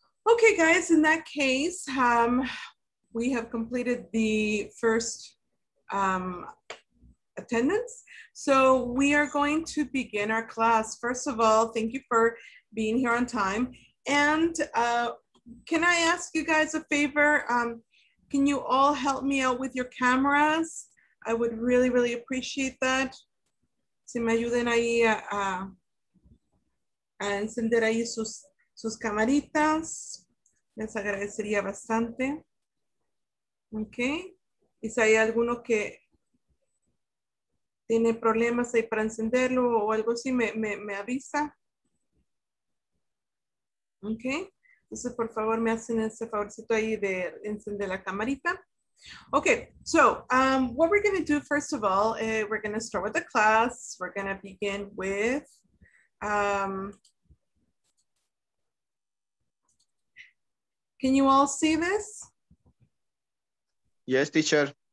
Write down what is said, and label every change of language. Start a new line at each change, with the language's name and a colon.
English: Okay, guys, in that case, we have completed the first attendance. So we are going to begin our class. First of all, thank you for being here on time. And can I ask you guys a favor? Can you all help me out with your cameras? I would really, really appreciate that.
Spanish: Si me ayuden ahí a encender ahí sus camaritas, les agradecería bastante. Okay. Y si hay alguno que tiene problemas ahí para encenderlo o algo así, me avisa. Okay. Entonces, por favor, me hacen ese favorcito ahí de encender la camarita.
English: Okay, so what we're going to do, first of all, we're going to start with the class. We're going to begin with can you all see this? Yes, teacher.